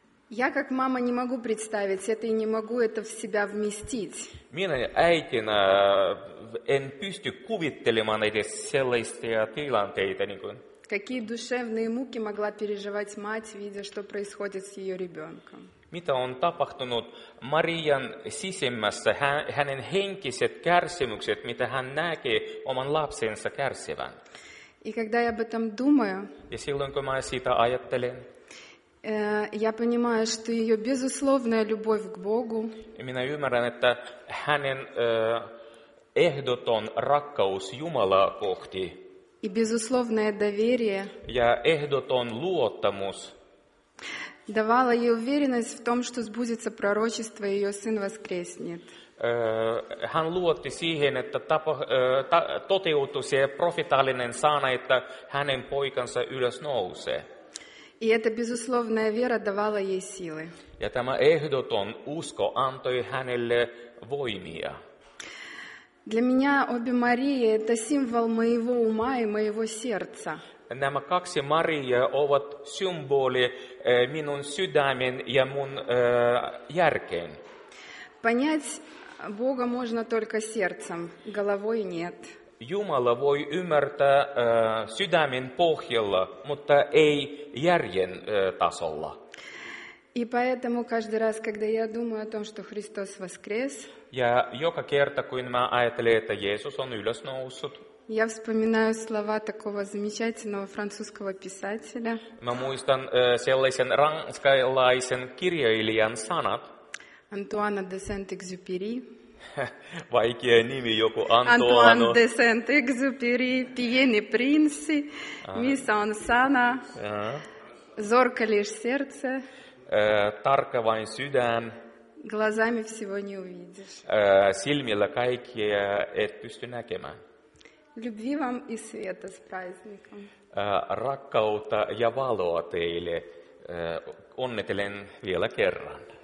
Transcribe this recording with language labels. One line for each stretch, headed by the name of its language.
Russian: Я как мама не могу представить это и не могу это в себя вместить.
Finnish: Minä äitinä en pysty kuvittelemaan edes sellaisia tilanteita. Niin kuin.
Russian: Какие душевные муки могла переживать мать, видя, что происходит с ее ребенком?
Finnish: Mitä on tapahtunut Marian sisimmässä, hänen henkiset kärsimykset, mitä hän näkee oman lapsensa kärsivän?
Russian: И когда я об этом думаю,
Finnish: ja silloin, kun mä siitä ajattelen,
Russian: я понимаю, что ее безусловная любовь к Богу.
Finnish: Minä ymmärrän, että hänen ehdoton rakkaus Jumalaa kohti.
Russian: И безусловное доверие.
Finnish: Ja ehdoton luottamus.
Russian: Давала ей уверенность в том, что сбудется пророчество, ее сын воскреснет.
Finnish: Hän luotti siihen, että toteutui se profetaalinen sana, että hänen poikansa ylös nousee.
Russian: И эта безусловная вера давала ей силы.
Finnish: Ja tämä ehdoton usko antoi hänelle voimia.
Russian: Для меня обе Марии это символ моего ума и моего сердца.
Finnish: Nämä kaksi Maria ovat symboli minun sydämen ja mun järkeen.
Russian: Понять Бога можно только сердцем, головой нет.
Finnish: Jumala voi ymmärtää sydämen pohjalla, mutta ei järjen tasolla.
Russian: И поэтому каждый раз, когда я думаю о том, что Христос воскрес,
Finnish: ja joka kerta, kun mä ajattelen, että Jeesus on ylös noussut,
Russian: я вспоминаю слова такого замечательного французского писателя.
Finnish: Mä muistan sellaisen ranskalaisen kirjailijan sanat.
Russian: Antуана де Сент-Экзюпери.
Finnish: Vaikea nimi, joku Antoano. Antoine de Saint-Exupéry, Pieni Prinssi, Missä on sana,
Russian: Zorka lish serce,
Finnish: Tarka vain sydän,
Russian: Glazami всего не увидишь,
Finnish: Silmillä kaikkea et pysty näkemään.
Russian: Любви вам и света с праздником.
Finnish: Rakkautta ja valoa teille. Onnittelen vielä kerran.